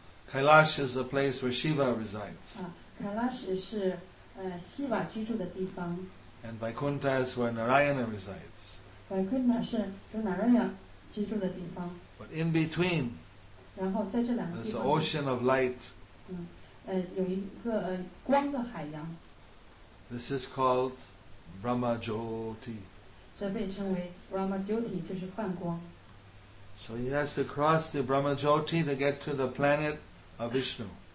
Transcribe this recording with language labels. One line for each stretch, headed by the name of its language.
English: Kailash is the place where Shiva resides. Kailash is
Chinese: Shiva 居住的地方。
English: And Vaikuntha is where Narayana resides.
Chinese: Vaikuntha 是主 Narayana 居住的地方。
English: But in between,
Chinese: 然后在这两个地方
English: there's an ocean of light.
Chinese: 有一个光的海洋。
English: This is called Brahma Jyoti.
Chinese: 这被称为 Brahma Jyoti, 就是梵光。
English: So he has to cross the Brahma Jyoti to get to the planet of Vishnu.